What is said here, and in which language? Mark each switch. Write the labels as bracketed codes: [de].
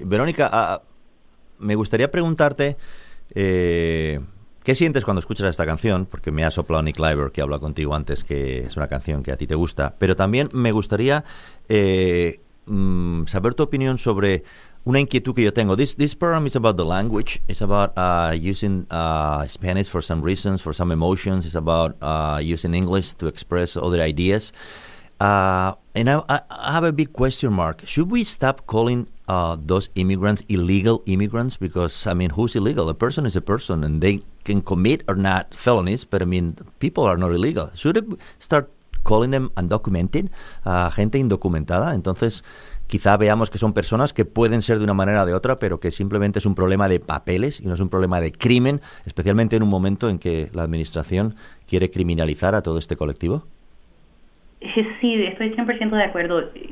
[es] Verónica, me gustaría preguntarte ¿qué sientes cuando escuchas esta canción? Porque me ha soplado Nick Leiber, que habla contigo antes, que es una canción que a ti te gusta. Pero también me gustaría saber tu opinión sobre una inquietud que yo tengo. [en] This program is about the language. It's about using Spanish for some reasons, for some emotions. It's about using English to express other ideas. And I have a big question mark. Should we stop calling those immigrants illegal immigrants? Because, I mean, who's illegal? A person is a person, and they can commit or not felonies, but, I mean, people are not illegal. Should we start calling them undocumented? [es] Gente indocumentada. Entonces, quizá veamos que son personas que pueden ser de una manera o de otra, pero que simplemente es un problema de papeles y no es un problema de crimen, especialmente en un momento en que la administración quiere criminalizar a todo este colectivo. Sí, estoy 100% de acuerdo.